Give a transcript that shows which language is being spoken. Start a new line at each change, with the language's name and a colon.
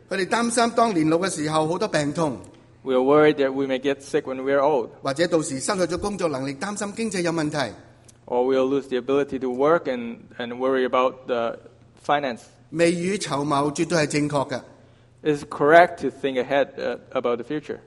Chinese: 他们担心当年老的时候很多病痛。
English: We are worried that we may get sick when we are old.
Chinese: 或者到时失去了工作能力，担心经济有问题。
English: Or we will lose the ability to work and worry about the finance.
Chinese: 未雨绸缪绝对是正确的。
English: It's correct to think ahead about the future.